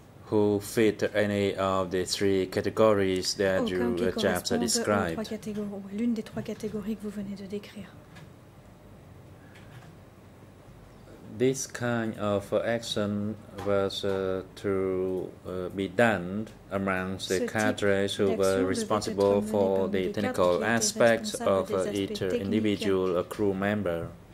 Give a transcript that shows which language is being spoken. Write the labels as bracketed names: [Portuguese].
[English] Who fit any of the three categories that [French] aucun [English] you just described? [French] L'une des trois catégories que vous venez de décrire. [English] This kind of action was to be done amongst [French] ce [English] the cadres who were responsible for the technical aspects of each individual crew member.